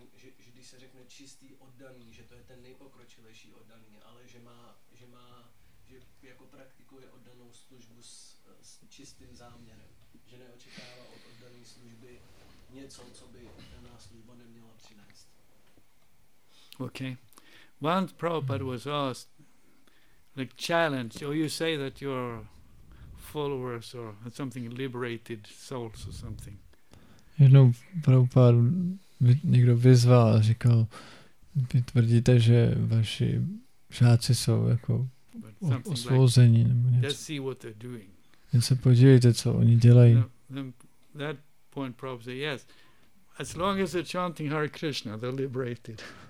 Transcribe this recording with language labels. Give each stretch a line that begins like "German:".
Czech: že když se řekne čistý oddaný, že to je ten nejpokročilejší oddaný, ale že jako praktikuje oddanou službu s čistým záměrem, že neočekává od oddaný služby něco, co by daná služba neměla přinést.
English: Okay. Once Prabhupada was asked, like challenged, or you say that you're followers or something, liberated souls or something.
Czech: Jednou Prabhupada někdo vyzval a říkal, vy tvrdíte, že vaši žáci jsou jako osvobození nebo něco.
English: Just see what they're doing.
Czech: Jen se podívejte, co oni dělají.
English: That point Prabhupada said, yes, as long as they're chanting Hare Krishna, they're liberated.